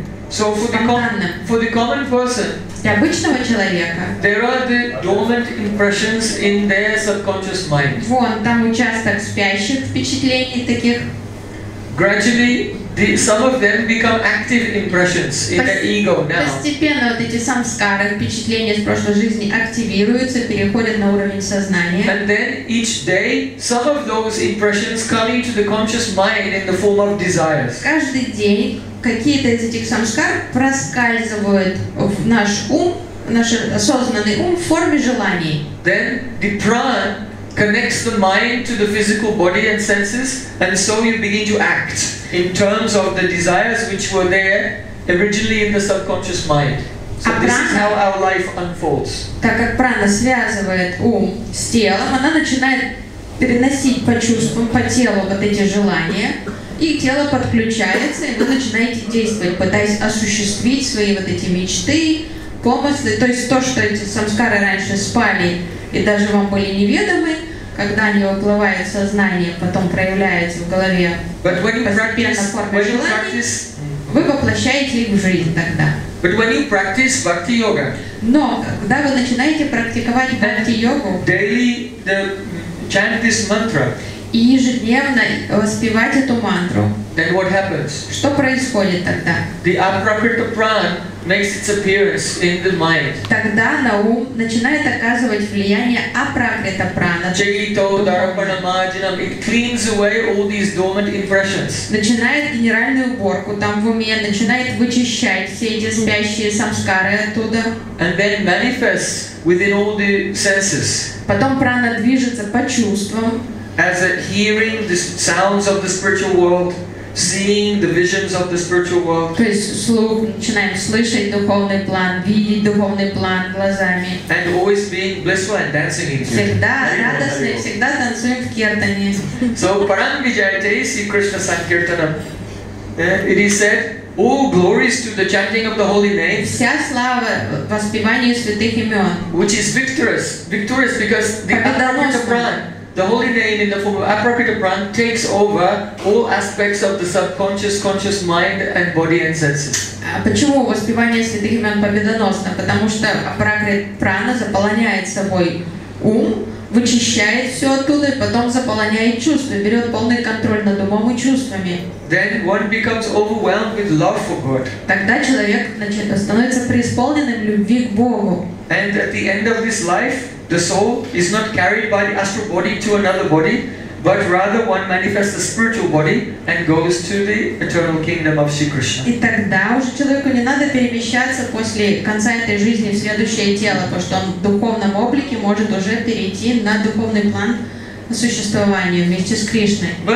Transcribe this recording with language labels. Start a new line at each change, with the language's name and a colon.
English: So for the common person,
Russian: для обычного человека,
English: there are the dormant impressions in their subconscious mind.
Russian: Вон там участок спящих впечатлений таких.
English: Gradually, some of them become active impressions in their ego now.
Russian: Постепенно вот эти самскары, впечатления с прошлой жизни активируются, переходят на уровень сознания.
English: And then each day, some of those impressions come into the conscious mind in the form of desires.
Russian: Каждый день какие-то из этих самскар проскальзывают в наш ум, в наш осознанный ум в форме желаний.
English: Then the prana connects the mind to the physical body and senses, and so you begin to act in terms of the desires which were there originally in the subconscious mind. So this is how our life unfolds.
Russian: Так как прана связывает ум с телом, она начинает переносить по чувствам, по телу вот эти желания. И тело подключается, и вы начинаете действовать, пытаясь осуществить свои вот эти мечты, помыслы. То есть то, что эти самскары раньше спали и даже вам были неведомы, когда они уплывают в сознание, потом проявляются в голове постепенно в форме желаний, вы воплощаете их в жизнь тогда.
English: But when you practice bhakti yoga,
Russian: но когда вы начинаете практиковать бхакти-йогу,
English: daily chant this mantra,
Russian: и ежедневно воспевать эту мантру.
English: Then what happens?
Russian: Что происходит тогда?
English: The appropriate prana makes its appearance in the mind.
Russian: Тогда на ум начинает оказывать влияние апракрита прана.
Sanskrit: Чайто дарпана маджинам.
English: It cleans away all these dormant impressions.
Russian: Начинает генеральную уборку там в уме, начинает вычищать все эти спящие самскары оттуда.
English: And then manifests within all the senses.
Russian: Потом прана движется по чувствам.
English: As a hearing the sounds of the spiritual world, seeing the visions of the spiritual world.
Russian: То есть слух начинаем слышать духовный план, видеть духовный план глазами.
English: And always being blissful and dancing in kirtan.
Russian: Всегда радостные, всегда танцуем в киртане.
Sanskrit: So Param Vijayate Sri Krishna Sankirtanam.
English: It is said, all glories to the chanting of the holy name.
Russian: Вся слава воспеванию святых имен.
English: Which is victorious because the appropriate prana. The holy name in the form of Aprakrita Pran takes over all aspects of the subconscious, conscious mind and body and senses.
Russian: Почему воспевание святых имен победоносно? Потому что Апракрит Прана заполняет собой ум, вычищает все оттуда и потом заполняет чувства, берет полный контроль над умом и чувствами.
English: Then one becomes overwhelmed with love for God.
Russian: Тогда человек становится преисполненным любви к Богу.
English: And at the end of this life, the soul is not carried by the astral body to another body, but rather one manifests the spiritual body and goes to the eternal kingdom of Shri Krishna.
Russian: И тогда уже человеку не надо перемещаться после конца этой жизни в следующее тело, потому что он в духовном облике может уже перейти на духовный план существования вместе с Кришной.